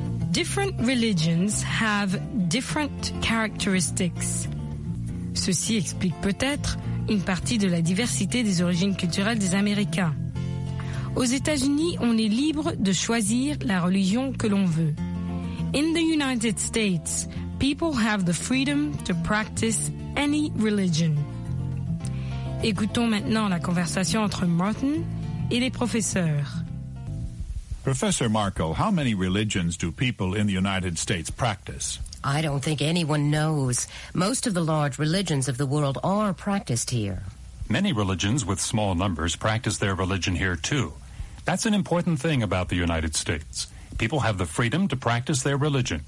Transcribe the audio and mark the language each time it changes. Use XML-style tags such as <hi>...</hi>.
<en>Different religions have different characteristics.</en> <fr>Ceci explique peut-être une partie de la diversité des origines culturelles des Américains. Aux États-Unis, on est libre de choisir la religion que l'on veut.</fr> <en>In the United States, people have the freedom to practice any religion.</en> <fr>Écoutons maintenant la conversation entre Martin et les professeurs.</fr> <en>Professor Markle, how many religions do people in the United States practice? I don't think anyone knows. Most of the large religions of the world are practiced here. Many religions with small numbers practice their religion here too. That's an important thing about the United States. People have the freedom to practice their religion.</en>